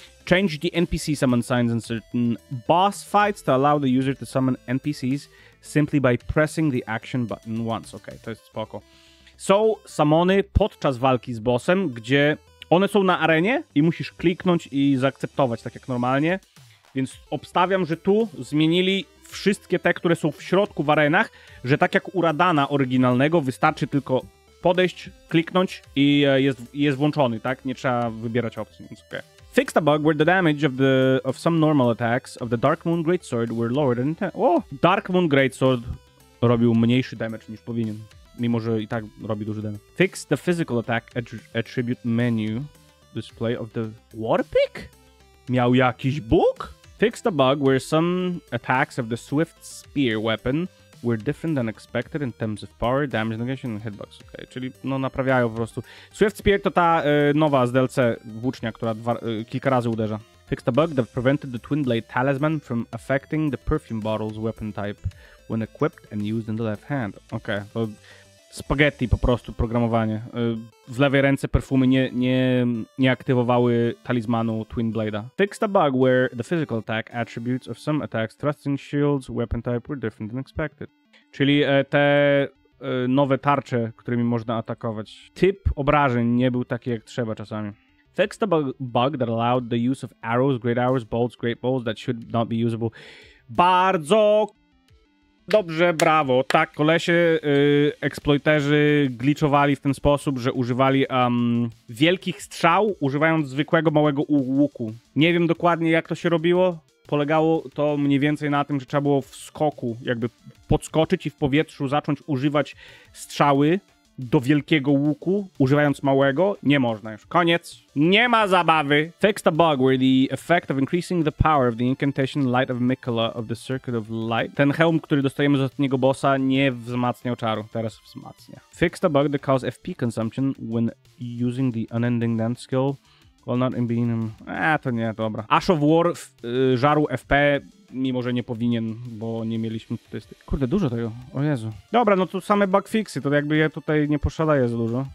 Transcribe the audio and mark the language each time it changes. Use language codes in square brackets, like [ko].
[en] Change the NPC summon signs in certain boss fights to allow the user to summon NPCs simply by pressing the action button once. [pl] Okej, to jest spoko. Są summony podczas walki z bossem, gdzie one są na arenie i musisz kliknąć i zaakceptować tak jak normalnie. Więc obstawiam, że tu zmienili wszystkie te, które są w środku w arenach, że tak jak u Radana oryginalnego wystarczy tylko podejść, kliknąć i jest włączony, tak? Nie trzeba wybierać opcji, więc okej. [en] Okay. Fixed a bug where the damage of some normal attacks of the Darkmoon Greatsword were lower than... [pl] Darkmoon Greatsword robił mniejszy damage niż powinien, mimo że i tak robi duży damage. [en] Fix the physical attack attribute menu display of the... Warpick? [pl] Miał jakiś bug? [en] Fixed a bug where some attacks of the Swift Spear weapon were different than expected in terms of power, damage negation and hitbox. Okay. [pl] Czyli no naprawiają po prostu. Swift Spear to ta nowa z DLC włócznia, która kilka razy uderza. [en] Fixed a bug that prevented the Twin Blade Talisman from affecting the perfume bottle's weapon type when equipped and used in the left hand. [pl] Okej, okay. To spaghetti po prostu programowanie. W lewej ręce perfumy nie aktywowały talizmanu Twin Blade'a. [en] Fixed a bug where the physical attack attributes of some attacks thrusting shields weapon type were different than expected. [pl] Czyli te nowe tarcze, którymi można atakować. Typ obrażeń nie był taki jak trzeba czasami. [en] Fixed a bug that allowed the use of arrows, great arrows, bolts, great bolts that should not be usable. [pl] Bardzo dobrze, brawo. Tak, kolesie, eksploiterzy glitchowali w ten sposób, że używali wielkich strzał, używając zwykłego małego łuku. Nie wiem dokładnie, jak to się robiło. Polegało to mniej więcej na tym, że trzeba było w skoku, jakby podskoczyć i w powietrzu zacząć używać strzały do wielkiego łuku, używając małego. Nie można już. Koniec. Nie ma zabawy. [en] Fixed a bug where the effect of increasing the power of the incantation Light of Mikula of the Circuit of Light. [pl] Ten hełm, który dostajemy z ostatniego bossa, nie wzmacniał czaru. Teraz wzmacnia. [en] Fixed a bug that caused FP consumption when using the unending dance skill. Well, not in being... [pl] to nie, dobra. Ash of War żarł FP, mimo że nie powinien, bo nie mieliśmy statystyk. Kurde, dużo tego, o Jezu. Dobra, no to same bugfixy, to jakby ja tutaj nie poszaleję za dużo.